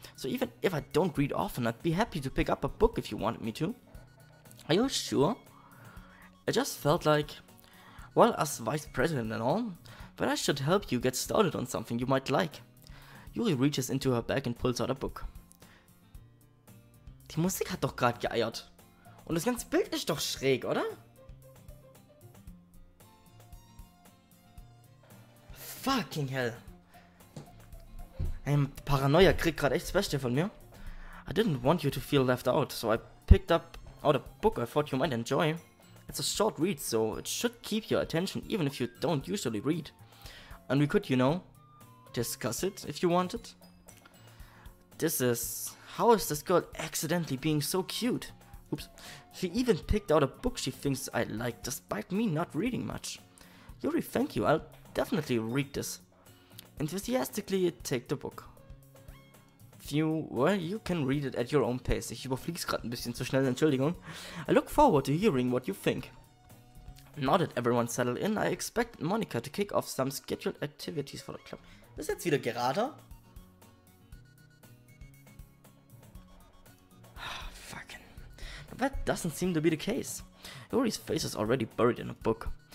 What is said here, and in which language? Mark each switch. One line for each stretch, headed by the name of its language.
English: So even if I don't read often, I'd be happy to pick up a book if you wanted me to. Are you sure? It just felt like, well, as vice president and all, but I should help you get started on something you might like. Yuri reaches into her bag and pulls out a book.
German: Die Musik hat doch gerade geeiert. Und das ganze Bild ist doch schräg, oder?
English: Fucking hell.
German: Ein Paranoia kriegt gerade echt das Beste von mir.
English: I didn't want you to feel left out, so I picked up out a book I thought you might enjoy. It's a short read, so it should keep your attention even if you don't usually read. And we could, you know, discuss it if you wanted. This is... How is this girl accidentally being so cute? Oops. She even picked out a book she thinks I like, despite me not reading much. Yuri, thank you. I'll definitely read this. Enthusiastically, take the book. Few, well, you can read it at your own pace.
German: Ich überfliege es gerade ein bisschen zu schnell, Entschuldigung.
English: I look forward to hearing what you think. Now that everyone settled in, I expect Monika to kick off some scheduled activities for the club.
German: Ist jetzt wieder gerade?
English: Fucking. But that doesn't seem to be the case. Yuri's face is already buried in a book.